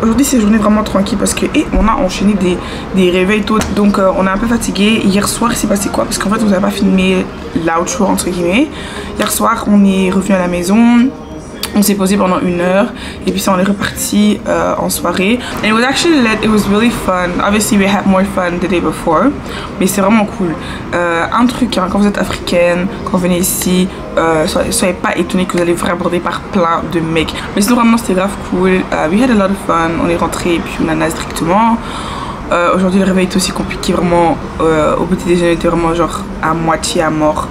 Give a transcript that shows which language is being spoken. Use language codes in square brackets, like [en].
[fr] Aujourd'hui, c'est une journée vraiment tranquille parce que on a enchaîné des réveils tôt. Donc, on est un peu fatigué. Hier soir, il s'est passé quoi? Parce qu'en fait, on n'avait pas filmé l'outro, entre guillemets. Hier soir, on est revenu à la maison. On s'est posé pendant une heure. Et puis, ça, on est reparti en soirée. [en] And it was actually lit. It was really fun. Obviously, we had more fun the day before. [fr] Mais c'est vraiment cool. Un truc, hein, quand vous êtes africaine, quand vous venez ici. Soyez pas étonnés que vous allez vous faire aborder par plein de mecs. Mais sinon vraiment c'était grave cool. [en] We had a lot of fun. [fr] On est rentré et puis on a nasé directement. Aujourd'hui le réveil était aussi compliqué. Vraiment au petit déjeuner était vraiment genre à moitié à mort.